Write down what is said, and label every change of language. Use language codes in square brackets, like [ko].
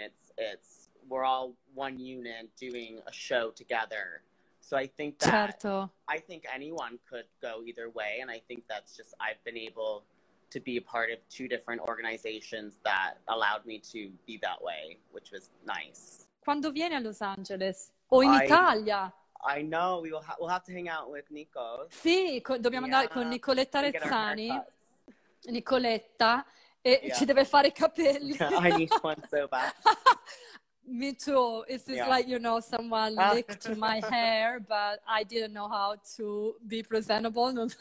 [en] It's we're all one unit doing a show together. So I think that I think anyone could go either way. And I think that's just, I've been able to be a part of two different organizations that allowed me to be that way, which was nice. [it] Quando viene a Los Angeles o in Italia? [en] I know, we'll have to hang out with Nico. [it] Sì, dobbiamo andare con Nicoletta Rezzani. Nicoletta, e ci deve fare I capelli. [en] I need one so bad. Me too. It's just like, you know, someone licked my hair, but I didn't know how to be presentable.